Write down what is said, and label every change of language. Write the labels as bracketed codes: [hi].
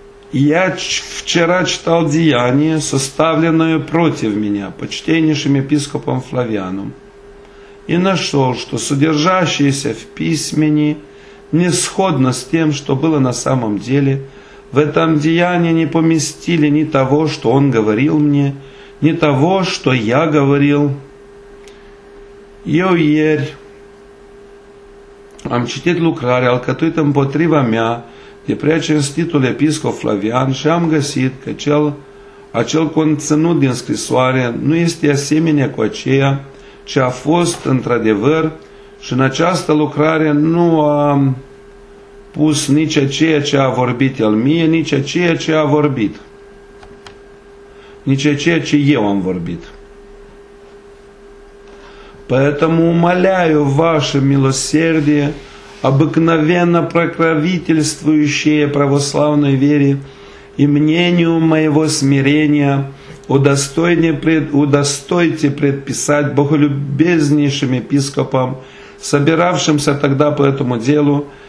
[ru] Я вчера читал деяние, составленное против меня почтеннейшим епископом Флавианом, и нашел, что содержащееся в письмени не сходно с тем, что было на самом деле. В этом деянии не поместили ни того, что он говорил мне, ни того, что я говорил. [ro] Am citit lucrarea alcătuită împotriva mea de preacinstitul episcop Flavian și am găsit că acel conținut din scrisoare nu este asemenea cu aceea ce a fost într-adevăr și în această lucrare nu am pus nici aceea ce a vorbit el mie, nici aceea ce a vorbit, nici aceea ce eu am vorbit. [ru] Поэтому умоляю ваше милосердие, обыкновенно прокровительствующее православной вере и мнению моего смирения, удостойте предписать боголюбезнейшим епископам, собиравшимся тогда по этому делу,